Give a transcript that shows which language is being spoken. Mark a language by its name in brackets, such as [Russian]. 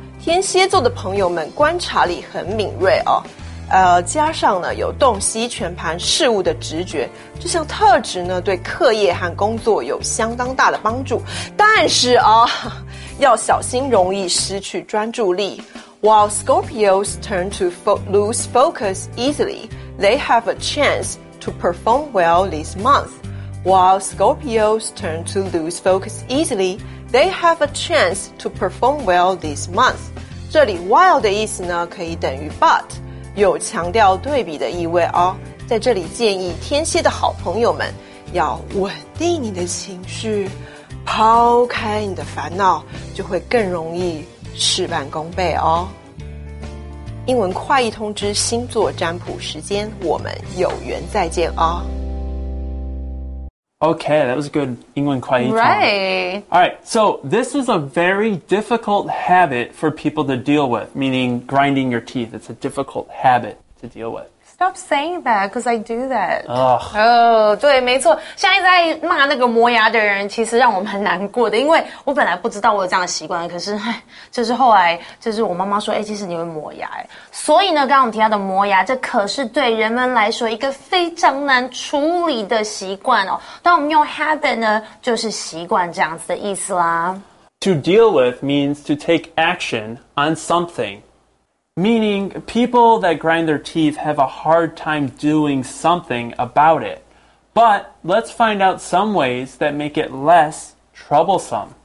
[Chinese] 天蝎座的朋友们观察力很敏锐哦，加上呢有洞悉全盘事物的直觉，这项特质呢对课业和工作有相当大的帮助。但是啊，要小心容易失去专注力。 [English] While Scorpios turn to lose focus easily, they have a chance to perform well this month. While Scorpios turn to lose focus easily, they have a chance to perform well this month. [Chinese] 这里 while 的意思呢可以等于 but, 有强调对比的意味哦。在这里建议天蝎的好朋友们要稳定你的情绪，抛开你的烦恼，就会更容易事半功倍哦。英文快译通知星座占卜时间，我们有缘再见哦。 [English] Okay, that was a good 英文快译通。 Right. All right, so this is a very difficult habit for people to deal with, meaning grinding your teeth. It's a difficult habit to deal with. Stop saying that, because I do that. Ugh. [Chinese] Oh, 对，没错。像一直在骂那个磨牙的人，其实让我蛮难过的，因为我本来不知道我有这样的习惯，可是，就是后来，就是我妈妈说，其实你会磨牙。所以呢，刚刚我们提到的磨牙，这可是对人们来说一个非常难处理的习惯哦。那我们用 habit 呢，就是习惯这样子的意思啦。 [English] To deal with means to take action on something. Meaning, people that grind their teeth have a hard time doing something about it. But let's find out some ways that make it less troublesome.